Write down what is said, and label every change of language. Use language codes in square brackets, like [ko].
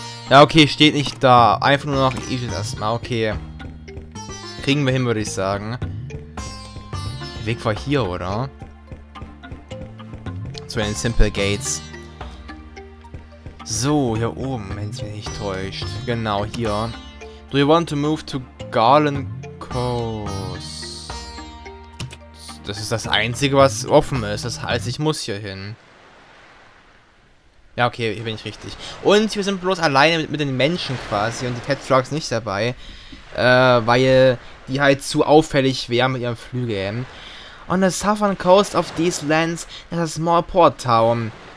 [de] Ja, okay, steht nicht da. Einfach nur noch Aegis erstmal, okay. Kriegen wir hin, würde ich sagen. Der Weg war hier, oder? Zu den Simple Gates. So, hier oben, wenn es mich nicht täuscht. Genau, hier. [en] Do you want to move to Garland Coast? [de] Das ist das Einzige, was offen ist. Das heißt, ich muss hier hin. Ja, okay, hier bin ich richtig. Und wir sind bloß alleine mit den Menschen quasi und die Tetrarchs nicht dabei. Weil die halt zu auffällig wären mit ihren Flügeln. [en] On the southern coast of these lands is a small port town.